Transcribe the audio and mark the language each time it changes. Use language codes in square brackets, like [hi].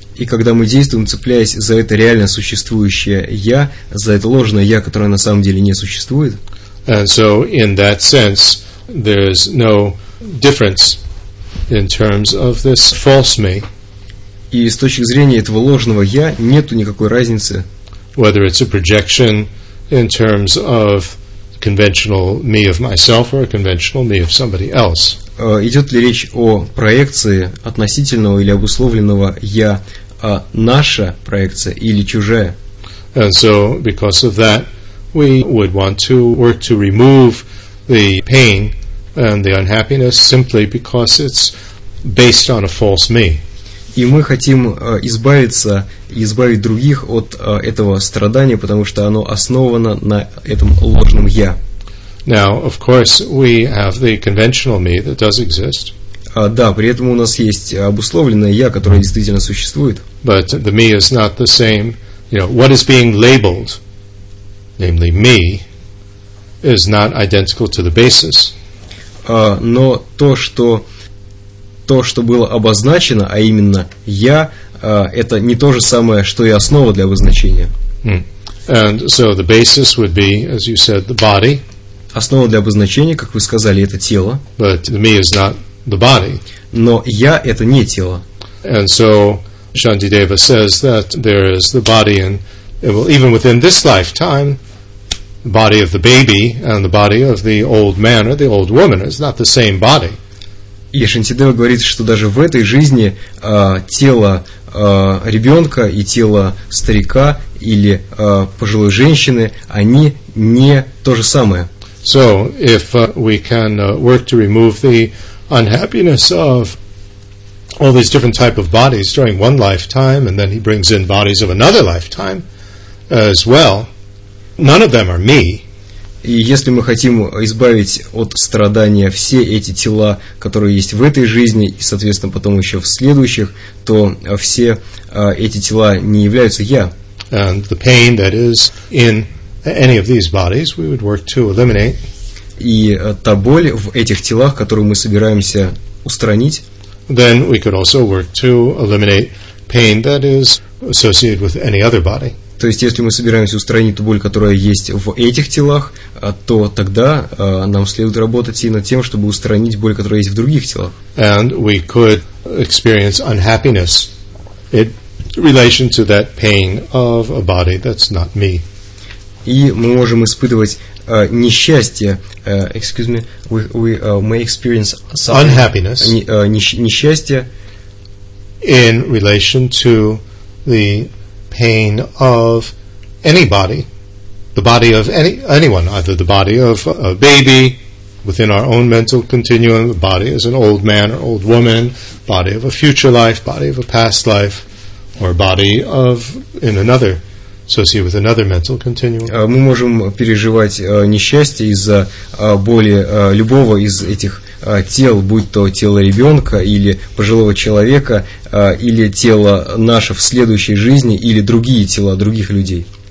[ru] И когда мы действуем, цепляясь за это реально существующее я, за это ложное я, которое на самом деле не существует. [en] And so in that sense there is no difference in terms of this false me. [ru] И с точки зрения этого ложного я нету никакой разницы. [en] Whether it's a projection in terms of conventional me of myself or a conventional me of somebody else. [ru] Идет ли речь о проекции относительного или обусловленного «я» наша проекция или чужая? [en] And so, because of that, we would want to work to remove the pain and the unhappiness simply because it's based on a false me. [ru] И мы хотим избавить других от этого страдания, потому что оно основано на этом ложном «я». [en] Now, of course, we have the conventional me that does exist. [ru] Да, при этом у нас есть обусловленное я, которое действительно существует. [en] But the me is not the same. What is being labeled, namely me, is not identical to the basis. [ru] Но то, что было обозначено, а именно я, это не то же самое, что и основа для обозначения. [en] And so the basis would be, as you said, the body. [ru] Основа для обозначения, как вы сказали, это тело. [en] But me is not the body. [ru] Но я – это не тело. [en] And so Shantideva says that there is the body, and even within this lifetime, the body of the baby and the body of the old man or the old woman is not the same body. [ru] И Шантидева говорит, что даже в этой жизни тело ребенка и тело старика или пожилой женщины, они не то же самое. [en] So, if we can work to remove the unhappiness of all these different type of bodies during one lifetime, and then he brings in bodies of another lifetime as well, none of them are me. [ru] И если мы хотим избавить от страдания все эти тела, которые есть в этой жизни, и, соответственно, потом еще в следующих, то все эти тела не являются я. [en] And the pain that is in any of these bodies, we would work to eliminate. [ru] И та боль в этих телах, которую мы собираемся устранить. [en] Then we could also work to eliminate pain that is associated with any other body. [ru] То есть, если мы собираемся устранить ту боль, которая есть в этих телах, то тогда нам следует работать и над тем, чтобы устранить боль, которая есть в других телах. [en] And we could experience unhappiness in relation to that pain of a body that's not me. [ru] И мы можем испытывать несчастье, [en] excuse me, we may experience some unhappiness [ru] несчастье [en] in relation to the pain of anybody, the body of anyone, either the body of a baby within our own mental continuum, the body as an old man or old woman, body of a future life, body of a past life, or body of in another, associated with another mental continuum. [ru] Мы можем переживать несчастье из-за боли любого из этих тел, будь то тело ребенка или пожилого человека, или тело наше в следующей жизни, или другие тела других людей.